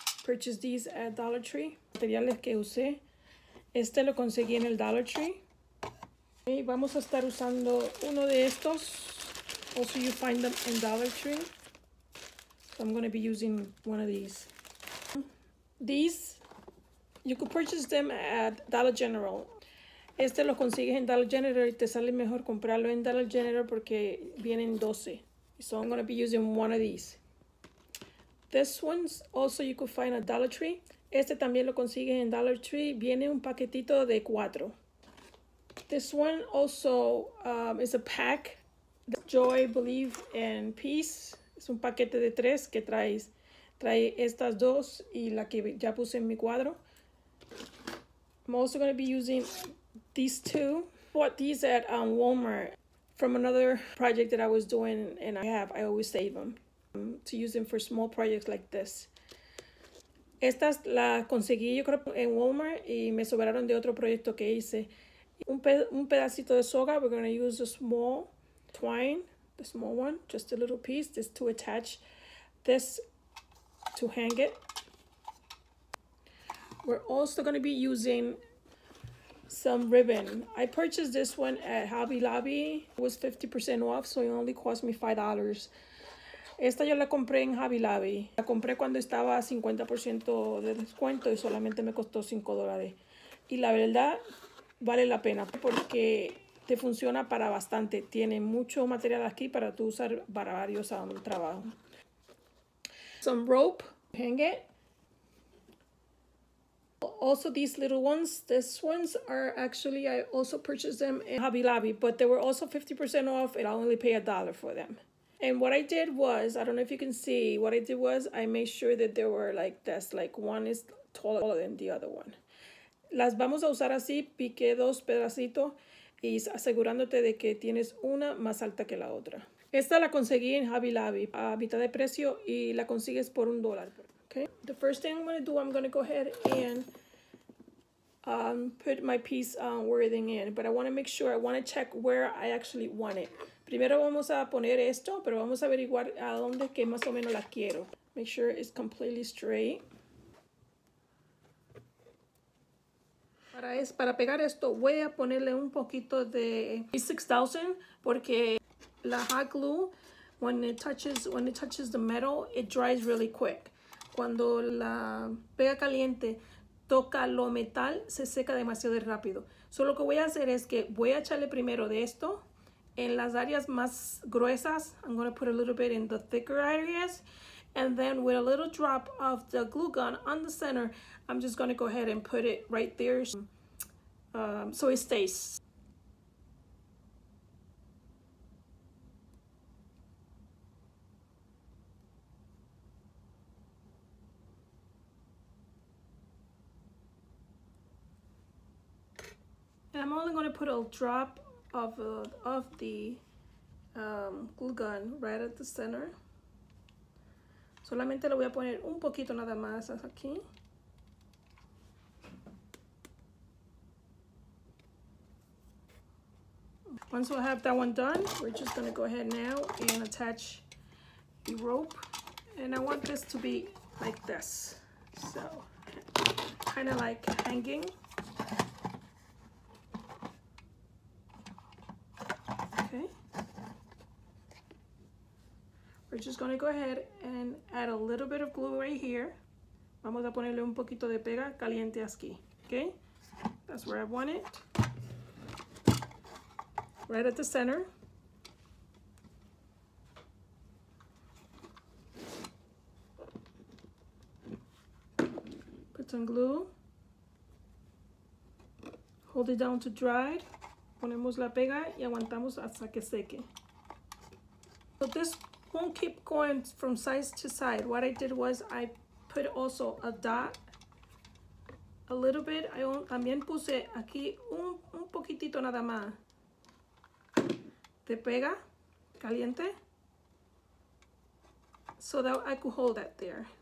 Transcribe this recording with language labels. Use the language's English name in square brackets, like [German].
[English] purchased these at Dollar Tree. [Spanish] Materiales que usé. Este lo conseguí en el Dollar Tree. Y vamos a estar usando uno de estos. [English] Also, you find them in Dollar Tree. So I'm going to be using one of these. These, you could purchase them at Dollar General. [Spanish] Este lo consigues en Dollar General y te sale mejor comprarlo en Dollar General porque vienen 12. [English] So I'm going to be using one of these. This one's also you could find at Dollar Tree. [Spanish] Este también lo consigues en Dollar Tree. Viene un paquetito de 4. [English] This one also is a pack. Joy, Believe, and Peace. [Spanish] Es un paquete de 3 que traes. Trae estas dos y la que ya puse en mi cuadro. [English] I'm also going to be using these two. Bought these at Walmart from another project that I was doing, and I always save them to use them for small projects like this. [Spanish] Estas la conseguí yo creo en Walmart y me sobraron de otro proyecto que hice. Un pedacito de soga, [English] we're going to use a small twine, the small one, just a little piece, just to attach this to hang it. We're also going to be using some ribbon. I purchased this one at Hobby Lobby. It was 50% off, so it only cost me $5. [Spanish] Esta yo la compré en Hobby Lobby. La compré cuando estaba a 50% de descuento y solamente me costó $5. Y la verdad, vale la pena porque te funciona para bastante. Tiene mucho material aquí para tú usar para varios trabajos. [English] Some rope, hang it. Also, these little ones, this ones are actually, I also purchased them in Hobby Lobby, but they were also 50% off and I only pay $1 for them. And what I did was, I don't know if you can see, what I did was I made sure that there were like this, like one is taller than the other one. [Spanish] Las vamos a usar así, piqué dos pedacitos y asegurándote de que tienes una más alta que la otra. Esta la conseguí en Hobby Lobby a mitad de precio y la consigues por $1. [English] Okay, the first thing I'm going to do, I'm going to go ahead and put my piece wording in. But I want to make sure, I want to check where I actually want it. [Spanish] Primero vamos a poner esto, pero vamos a averiguar a dónde que más o menos la quiero. [English] Make sure it's completely straight. [Spanish] Para pegar esto, voy a ponerle un poquito de 6000 porque la [English] hot glue, when it touches the metal, it dries really quick. [Spanish] Cuando la pega caliente toca lo metal, se seca demasiado rápido. So lo que voy a hacer es que voy a echarle primero de esto en las áreas más gruesas. [English] I'm going to put a little bit in the thicker areas. And then with a little drop of the glue gun on the center, I'm just going to go ahead and put it right there so it stays. And I'm only going to put a drop of the glue gun right at the center. [Spanish] Solamente lo voy a poner un poquito nada más aquí. [English] Once we have that one done, we're just going to go ahead now and attach the rope. And I want this to be like this. So, kind of like hanging. Okay, we're just going to go ahead and add a little bit of glue right here. [Spanish] Vamos a ponerle un poquito de pega caliente aquí. [English] Okay, that's where I want it. Right at the center. Put some glue. Hold it down to dry. [Spanish] Ponemos la pega y aguantamos hasta que seque. [English] So this won't keep going from side to side. What I did was I put also a dot, a little bit. [Spanish] I también puse aquí un poquitito nada más de pega caliente [English] so that I could hold that there.